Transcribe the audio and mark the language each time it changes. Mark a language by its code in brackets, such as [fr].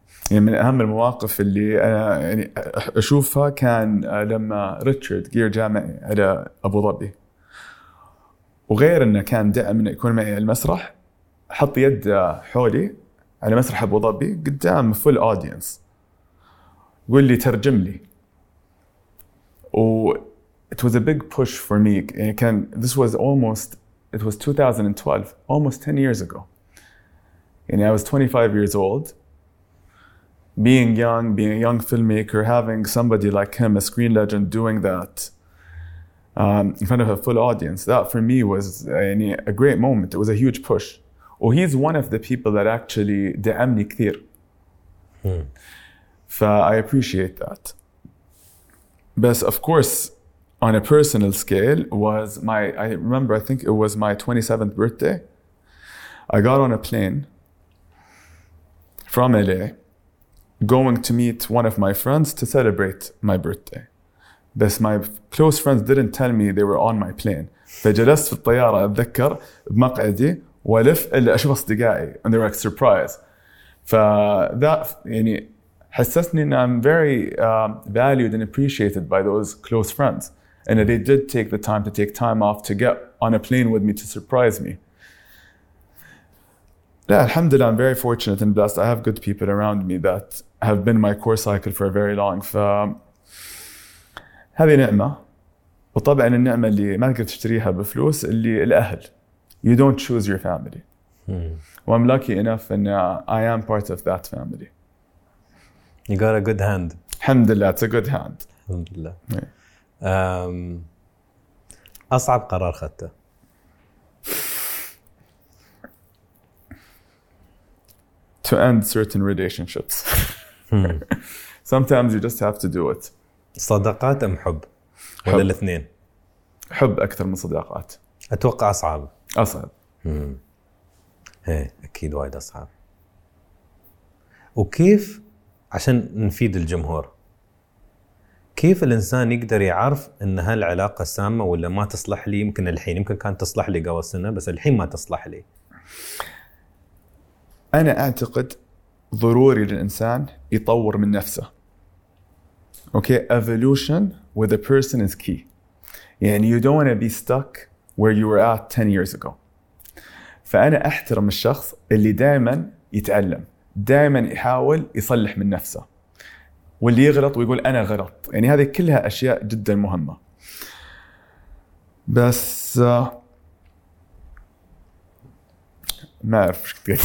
[ar] يعني من أهم المواقف اللي أنا يعني أشوفها كان لما ريتشارد جير جاء معي على أبو ظبي، وغير أنه كان دعم أنه يكون معي المسرح، حط يد حولي على مسرح أبو ظبي قدام [en] full audience, [ar] قل لي ترجم لي. [en] و it was a big push for me. كان this was almost it was 2012, almost 10 years ago. يعني I was 25 years old. Being a young filmmaker, having somebody like him, a screen legend, doing that in front of a full audience, that for me was a great moment. It was a huge push. Oh, he's one of the people that actually [ar] دعمني كثير. [en] I appreciate that. But of course, on a personal scale, I think it was my 27th birthday. I got on a plane from LA going to meet one of my friends to celebrate my birthday. But my close friends didn't tell me they were on my plane. [ar] فجلست في الطيارة أتذكر بمقعدي ولف اللي أشوف أصدقائي [en] and they were like surprised. [ar] فذات يعني حسستني أن [en] I'm very valued and appreciated by those close friends. And they did take the time to take time off to get on a plane with me to surprise me. Yeah, alhamdulillah, I'm very fortunate and blessed. I have good people around me that have been my core cycle for a very long. [ar] هذه نعمة. وطبعا النعمة اللي ما تقدر تشتريها بفلوس اللي الأهل. [en] You don't choose your family. Well, I'm lucky enough and I am part of that family. You got a good hand. Alhamdulillah, it's a good hand. Alhamdulillah. [ar] أصعب قرار خدته؟ [en] To end certain relationships. Sometimes you just have to do it. [ar] صداقات أم حب؟ ولا الاثنين؟ حب أكثر من صداقات. أتوقع أصعب. أصعب. إيه أكيد وايد أصعب. وكيف عشان نفيد الجمهور؟ كيف الإنسان يقدر يعرف إن هالعلاقة سامة ولا ما تصلح لي؟ يمكن الحين يمكن كانت تصلح لي قبل سنة بس الحين ما تصلح لي. أنا أعتقد ضروري للإنسان يطور من نفسه. [en] Okay, evolution with a person is key. يعني you don't want to be stuck where you were at 10 years ago. [ar] فأنا أحترم الشخص اللي دائما يتعلم، دائما يحاول يصلح من نفسه. واللي يغلط ويقول أنا غلط، يعني هذه كلها أشياء جدا مهمة. بس ما أعرف